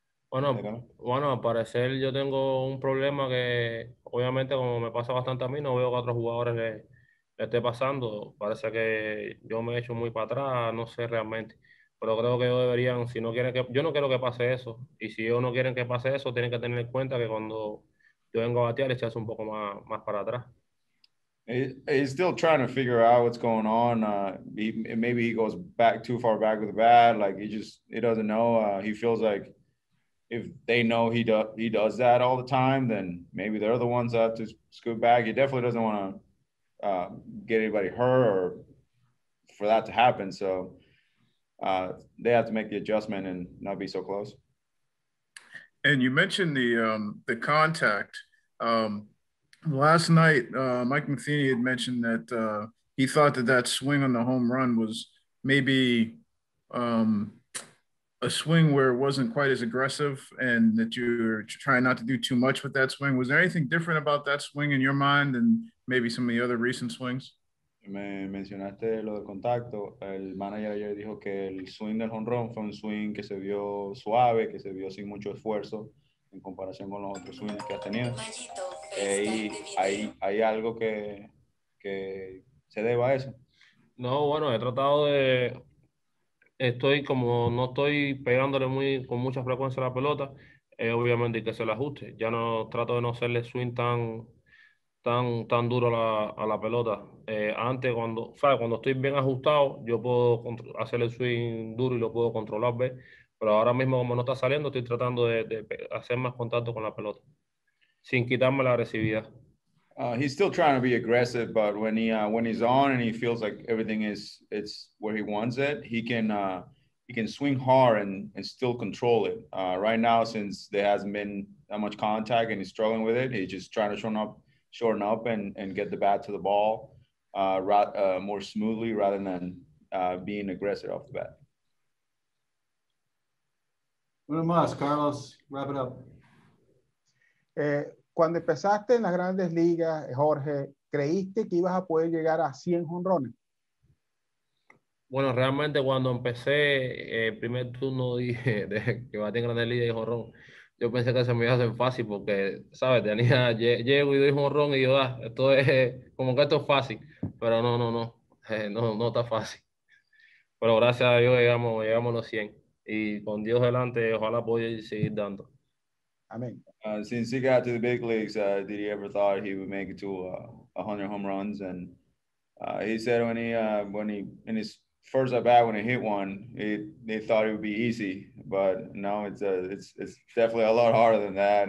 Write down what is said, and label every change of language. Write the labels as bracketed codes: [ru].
[es] Bueno, al parecer yo tengo un problema que obviamente como me pasa bastante a mí, no veo que a otros jugadores le esté pasando. Parece que yo me he hecho muy para atrás, no sé realmente. Pero creo que ellos deberían, si no quieren que, yo no quiero que pase eso. Y si ellos no quieren que pase eso, tienen que tener en cuenta que cuando yo vengo a batear, echarse un poco más para atrás. [en] He's still trying to figure out what's going on. Maybe he goes back too far back with the bat. Like he doesn't know. He feels like if they know he does that all the time, then maybe they're the ones that have to scoot back. He definitely doesn't want to get anybody hurt or for that to happen. So they have to make the adjustment and not be so close. And you mentioned the contact. Last night, Mike Matheny had mentioned that he thought that that swing on the home run was maybe a swing where it wasn't quite as aggressive and that you were trying not to do too much with that swing. Was there anything different about that swing in your mind than maybe some of the other recent swings? [es] Me mencionaste lo de contacto. El manager ayer dijo que el swing del home run fue un swing que se vio suave, que se vio sin mucho esfuerzo en comparación con los otros swings que has tenido. Y hay algo que se deba a eso. No, bueno, he tratado de... No estoy pegándole muy con mucha frecuencia a la pelota, obviamente que se le ajuste. Ya no trato de no hacerle swing tan duro a la pelota. Antes, cuando estoy bien ajustado, yo puedo hacerle swing duro y lo puedo controlar, ¿ves? Pero ahora mismo, como no está saliendo, estoy tratando de hacer más contacto con la pelota, sin quitarme la agresividad. [en] He's still trying to be aggressive, but when he's on and he feels like everything is it's where he wants it, he can swing hard and still control it. Right now, since there hasn't been that much contact and he's struggling with it, he's just trying to shorten up and get the bat to the ball more smoothly rather than being aggressive off the bat. One más, Carlos, wrap it up. [es] Cuando empezaste en las grandes ligas, Jorge, ¿creíste que ibas a poder llegar a 100 jonrones? Bueno, realmente cuando empecé el primer turno dije de que bate en grandes ligas y jonrón, yo pensé que se me iba a hacer fácil porque, ¿sabes? Tenía, llego y doy jonrón y yo, esto es como que esto es fácil, pero no está fácil. Pero gracias a Dios llegamos a los 100 y con Dios delante, ojalá pueda seguir dando. Amen. [en] Since he got to the big leagues, did he ever thought he would make it to 100 home runs? And he said when he in his first at bat when he hit one, they thought it would be easy, but now it's definitely a lot harder than that.